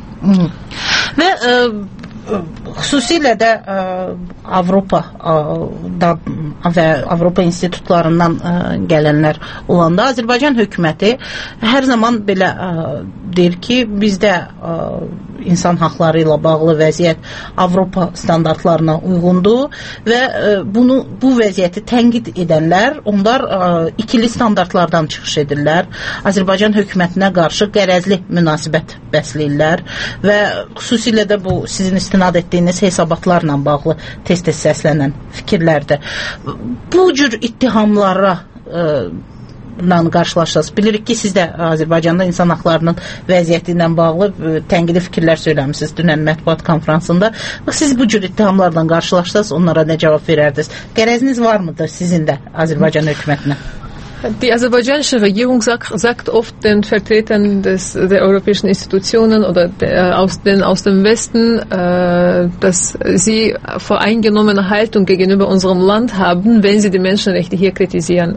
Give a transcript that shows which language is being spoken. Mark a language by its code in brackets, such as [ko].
[az] Və xüsusilə də Avropadan və Avropa institutlarından gələnlər olanda Azərbaycan hökuməti hər zaman belə deyir ki, bizdə insan haqları ilə bağlı vəziyyət Avropa standartlarına uyğundur və bu vəziyyəti tənqid edənlər, onlar ikili standartlardan çıxış edirlər. Azərbaycan hökumətinə qarşı qərəzli münasibət bəsləyirlər və xüsusilə də bu sizin istinad etdiyiniz hesabatlarla bağlı tez-tez səslənən fikirlərdə. Bu cür ittihamlara qarşılaşırsınız. Bilirik ki, siz də Azərbaycanda insan haqlarının vəziyyəti ilə bağlı tənqidi fikirlər söyləmişsiniz dünən mətbuat konfransında. Siz bu cür ittihamlardan qarşılaşırsınız, onlara nə cavab verərdiniz? Qərəziniz var mıdır sizin də Azərbaycan hökumətinə? [de] Die azerbaijanische Regierung sagt oft den Vertretern der europäischen Institutionen oder aus dem Westen, dass sie voreingenommene Haltung gegenüber unserem Land haben, wenn sie die Menschenrechte hier kritisieren.